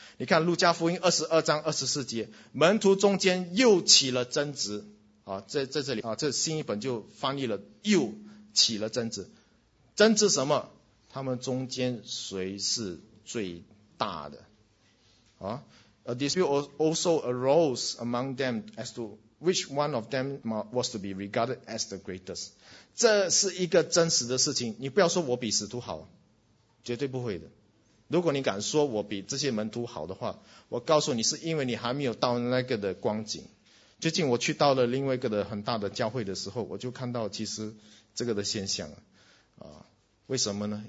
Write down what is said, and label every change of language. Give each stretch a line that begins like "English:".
Chinese: 你看路加福音22章24节，门徒中间又起了争执啊，在这里啊，这新译本就翻译了又起了争执。争执什么？他们中间谁是最大的啊？
English: A dispute also arose among them as to which one of them was to be regarded as the greatest。
Chinese: 这是一个真实的事情，你不要说我比使徒好，绝对不会的。如果你敢说我比这些门徒好的话，我告诉你是因为你还没有到那个的光景。最近我去到了另外一个的很大的教会的时候，我就看到其实这个的现象为什么呢？